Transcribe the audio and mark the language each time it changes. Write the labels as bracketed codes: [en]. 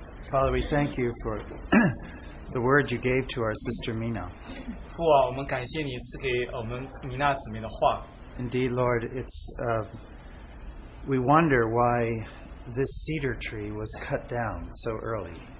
[en] Father, we thank you for the word you gave to our sister Mina. [zh] 父啊，我们感谢你赐给我们米娜姊妹的话。 [en] Indeed, Lord, it's we wonder why this cedar tree was cut down so early.